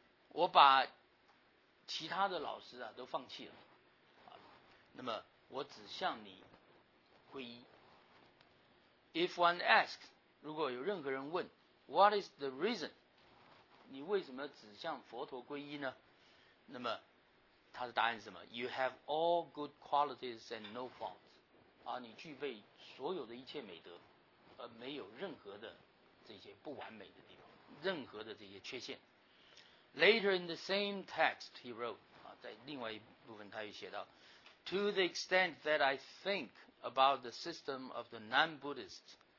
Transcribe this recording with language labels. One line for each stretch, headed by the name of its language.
Chinese: 我把其他的老师啊都放弃了啊，那么我只向你。
English: If one asks,
Chinese: 如果有任何人问
English: What is the reason?
Chinese: 你为什么只向佛陀皈依呢？那么他的答案是什么？
English: You have all good qualities and no faults.
Chinese: 啊，你具备所有的一切美德，而没有任何的这些不完美的地方，任何的这些缺陷。
English: Later in the same text he wrote,
Chinese: 啊，在另外一部分他又写到
English: To the extent that I thinkabout the system of the non-Buddhists.